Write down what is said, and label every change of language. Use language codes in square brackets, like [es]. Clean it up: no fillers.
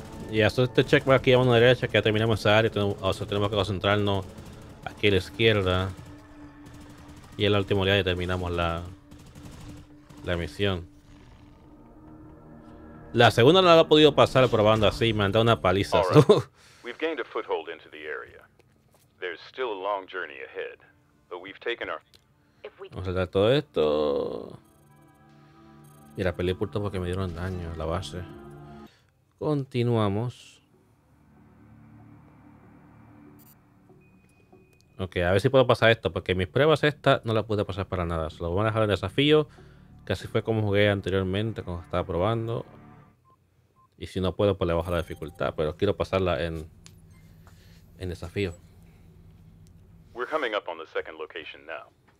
[es] Y hasta este checkmark aquí a mano derecha, que ya terminamos esa área. Tenemos que concentrarnos aquí a la izquierda. Y en la última oleada ya terminamos la misión. La segunda no la he podido pasar probando así, me han dado una paliza. [en] All right. We've gained a foothold into the area. There's still a long journey ahead, but we've taken our... [es] Vamos a dar todo esto. Mira, peleé por todo porque me dieron daño a la base. Continuamos. Ok, a ver si puedo pasar esto, porque mis pruebas estas no las pude pasar para nada. Se lo voy a dejar en desafío, que así fue como jugué anteriormente, cuando estaba probando. Y si no puedo, pues le bajo la dificultad, pero quiero pasarla en desafío. [en] We're coming up on the second location now.